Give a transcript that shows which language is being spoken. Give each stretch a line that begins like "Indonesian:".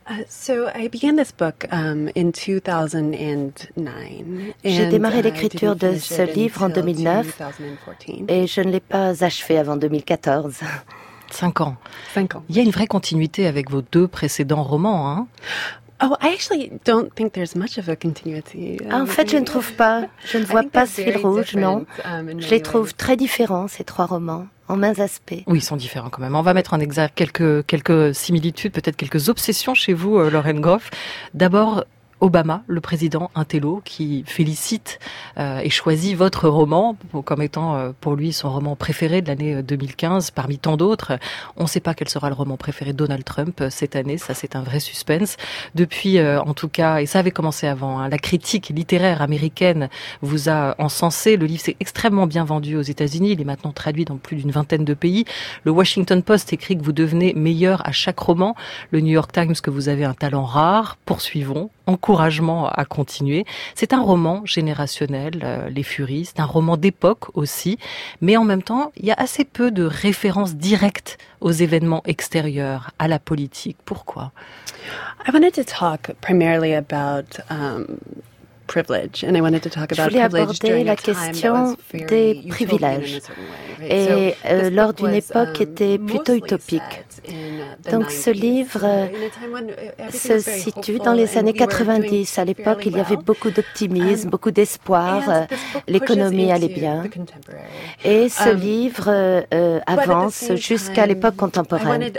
English: So I began this book in 2009.
French: J'ai démarré l'écriture de ce livre en 2009 et je ne l'ai pas achevé avant 2014. Cinq ans. Il y a une vraie continuité avec vos deux précédents romans, hein?
English: Oh, I actually don't think there's much of a continuity.
French: En fait, je ne trouve pas. Je ne vois pas ce fil rouge, non. Je les trouve très différents, ces trois romans, en mains aspects. Oui, ils sont différents quand même. On va mettre en exergue quelques similitudes, peut-être quelques obsessions chez vous, Lauren Groff. D'abord, Obama, le président intello, qui félicite et choisit votre roman comme étant pour lui son roman préféré de l'année 2015 parmi tant d'autres. On ne sait pas quel sera le roman préféré de Donald Trump cette année, ça c'est un vrai suspense. Depuis, en tout cas, et ça avait commencé avant, hein, la critique littéraire américaine vous a encensé. Le livre s'est extrêmement bien vendu aux États-Unis, il est maintenant traduit dans plus d'une vingtaine de pays. Le Washington Post écrit que vous devenez meilleur à chaque roman. Le New York Times que vous avez un talent rare. Poursuivons. Encouragement à continuer. C'est un roman générationnel, Les Furies, c'est un roman d'époque aussi, mais en même temps, il y a assez peu de références directes aux événements extérieurs, à la politique. Pourquoi ?
English: I wanted to talk primarily about privilege, and I wanted to talk about privilege during a time that was very
French: Et lors d'une époque qui était plutôt utopique. Donc ce livre se situe dans les années 90. À l'époque, il y avait beaucoup d'optimisme, beaucoup d'espoir, l'économie allait bien. Et ce livre avance jusqu'à l'époque contemporaine.